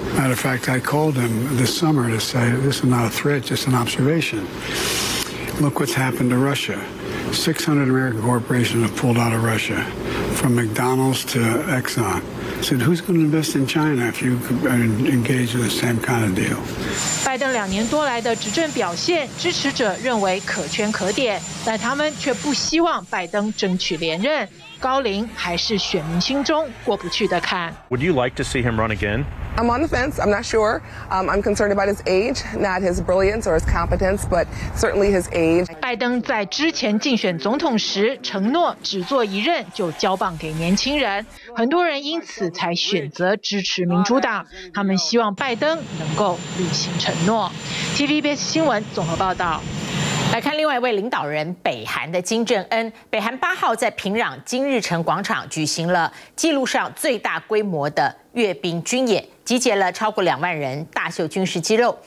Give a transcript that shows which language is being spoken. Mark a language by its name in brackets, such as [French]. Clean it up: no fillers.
[English] Matter of fact, I called him this summer to say, this is not a threat, just an observation. Look what's happened to Russia. 600 American corporations have pulled out of Russia, from McDonald's to Exxon. I said, who's going to invest in China if you engage in the same kind of deal? [Chinese] 拜登两年多来的执政表现，支持者认为可圈可点，但他们却不希望拜登争取连任。高龄还是选民心中过不去的坎。 [English] Would you like to see him run again? I'm on the fence. I'm not sure. I'm concerned about his age, not his brilliance or his competence, but certainly his age. [Chinese] 拜登在之前竞选总统时承诺只做一任就交棒给年轻人，很多人因此才选择支持民主党。他们希望拜登能够履行承诺。 TVBS 新闻综合报道。来看另外一位领导人，北韩的金正恩。北韩八号在平壤金日成广场举行了记录上最大规模的阅兵军演，集结了超过20,000人，大秀军事肌肉。